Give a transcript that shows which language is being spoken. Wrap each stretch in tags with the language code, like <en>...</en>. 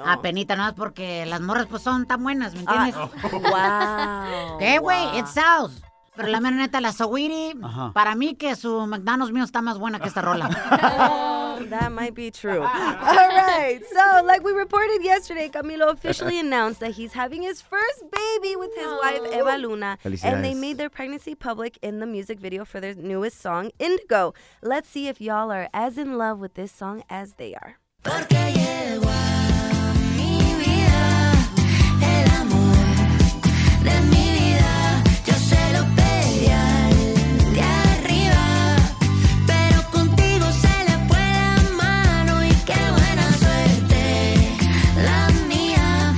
<es>Apenita, no es porque las morras pues son tan buenas, ¿me entiendes?</es> <en>Wow.</en> <es>¿Qué, güey? Wow.</es> <en>It sells.</en> <es>Pero la mera neta, la Sawiri, uh-huh. Para mí que su McDonald's mío está más buena que esta rola.</es> <en>That might be true. All right. So, like we reported yesterday, Camilo officially announced that he's having his first baby with his wife, Eva Luna. And they made their pregnancy public in the music video for their newest song, Indigo. Let's see if y'all are as in love with this song as they are.</en> <es>Porque llegó a mi vida el amor de mi vida. Yo se lo pedí al de arriba, pero contigo se le fue la mano y qué buena suerte la mía.</es>